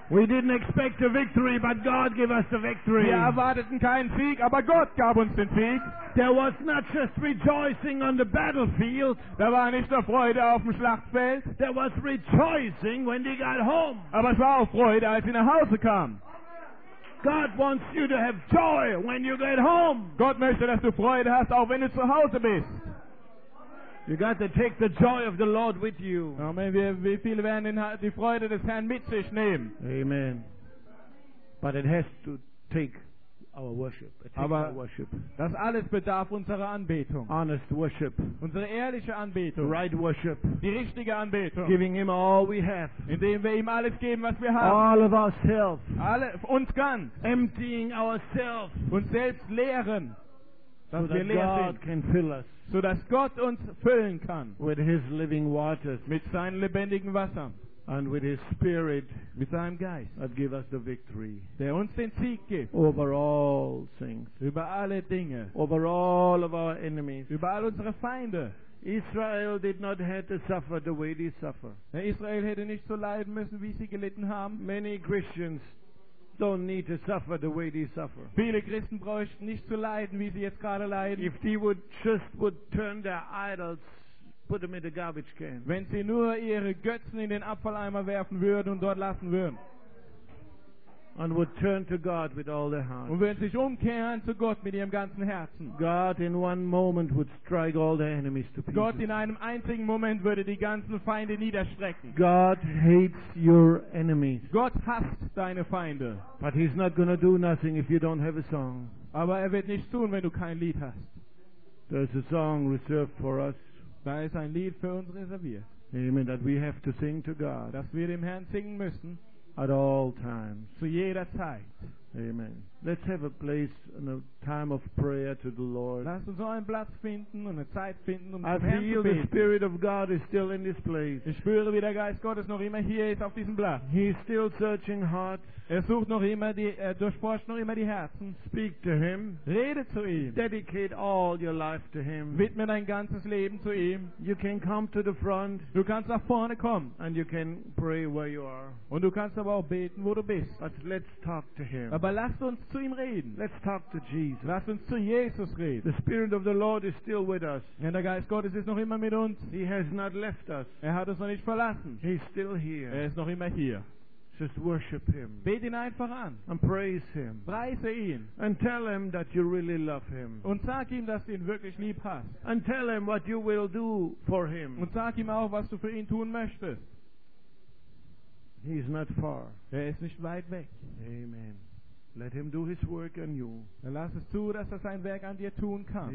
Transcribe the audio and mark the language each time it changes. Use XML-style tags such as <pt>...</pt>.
<en>We didn't expect a victory, but God gave us the victory.</en> <de>Wir erwarteten keinen Sieg, aber Gott gab uns den Sieg.</de> <en>There was not just rejoicing on the battlefield.</en> <de>Da war nicht nur Freude auf dem Schlachtfeld.</de> <en>There was rejoicing when they got home.</en> <de>Aber es war auch Freude, als sie nach Hause kamen.</de> <en>God wants you to have joy when you get home.</en> <de>Gott möchte, dass du Freude hast, auch wenn du zu Hause bist.</de> <en>You got to take the joy of the Lord with you. Amen.</en> <de>Wie viele werden die Freude des Herrn mit sich nehmen?</de> <en>Amen. But it has to take our worship.</en> <de>Aber</de> <en>our worship.</en> <de>Das alles bedarf unserer Anbetung.</de> <en>Honest worship.</en> <de>Unsere ehrliche Anbetung.</de> <en>Right worship.</en> <de>Die richtige Anbetung.</de> <en>Giving him all we have.</en> <de>Indem wir ihm alles geben, was wir haben.</de> <en>All of ourselves.</en> <de>Alle uns ganz.</de> <en>Emptying ourselves.</en> <de>Uns selbst leeren.</de> <en>So that God can fill us.</en> <de>So dass Gott uns füllen kann.</de> <en>With his living waters.</en> <de>Mit seinem lebendigen Wasser.</de> <en>And with his spirit.</en> <de>Mit seinem Geist.</de> <en>That give us the victory.</en> <de>Der uns den Sieg gibt.</de> <en>Over all things.</en> <de>Über alle Dinge.</de> <en>Over all of our enemies.</en> <de>Über all unsere Feinde.</de> <en>Israel did not have to suffer the way they suffer.</en> <de>Israel hätte nicht so leiden müssen, wie sie gelitten haben.</de> <en>Many Christians don't need to suffer the way they suffer.</en> <de>Viele Christen bräuchten nicht zu leiden, wie sie jetzt gerade leiden.</de> <en>If they would just would turn their idols, put them in the garbage can.</en> <de>Wenn sie nur ihre Götzen in den Abfalleimer werfen würden und dort lassen würden.</de> <en>And would turn to God with all their hearts.</en> <de>Und würden sich umkehren zu Gott mit ihrem ganzen Herzen.</de> <en>God in one moment would strike all their enemies to pieces.</en> <de>Gott in einem einzigen Moment würde die ganzen Feinde niederstrecken.</de> <en>God hates your enemies.</en> <de>Gott hasst deine Feinde.</de> <en>But he's not going to do nothing if you don't have a song.</en> <de>Aber er wird nichts tun, wenn du kein Lied hast.</de> <en>There's a song reserved for us.</en> <de>Da ist ein Lied für uns reserviert.</de> <en>Amen. That we have to sing to God.</en> <de>Dass wir dem Herrn singen müssen.</de> <en>At all times.</en> <de>Zu jeder Zeit.</de> <en>Amen. Let's have a place and a time of prayer to the Lord.</en> <de>Lass uns einen Platz finden und eine Zeit finden, um</de> <en>I feel the Spirit of God is still in this place.</en> <de>Ich spüre, wie der Geist Gottes noch immer hier ist auf diesem Platz.</de> <en>He is still searching hearts.</en> <de>Er sucht noch immer die, durchforscht noch immer die Herzen.</de> <en>Speak to him.</en> <de>Rede zu ihm.</de> <en>Dedicate all your life to him.</en> <de>Widme dein ganzes Leben zu ihm.</de> <en>You can come to the front.</en> <de>Du kannst nach vorne kommen.</de> <en>And you can pray where you are.</en> <de>Und du kannst aber auch beten, wo du bist.</de> <en>But let's talk to him.</en> <de>Aber lasst uns zu ihm reden.</de> <en>Let's talk to Jesus.</en> <de>Lass uns zu Jesus reden.</de> <en>The Spirit of the Lord is still with us.</en> <de>Und der Geist Gottes ist noch immer mit uns.</de> <en>He has not left us.</en> <de>Er hat uns noch nicht verlassen.</de> <en>He's still here.</en> <de>Er ist noch immer hier.</de> <en>Just worship him.</en> <de>Bet ihn einfach an.</de> <en>And praise him.</en> <de>Preise ihn.</de> <en>And tell him that you really love him.</en> <de>Und sag ihm, dass du ihn wirklich lieb hast.</de> <en>And tell him what you will do for him.</en> <de>Und sag ihm auch, was du für ihn tun möchtest.</de> <en>He is not far.</en> <de>Er ist nicht weit weg.</de> <en>Amen. Let him do his work on you.</en> <de>Lass es zu, dass er sein Werk an dir tun kann.</de>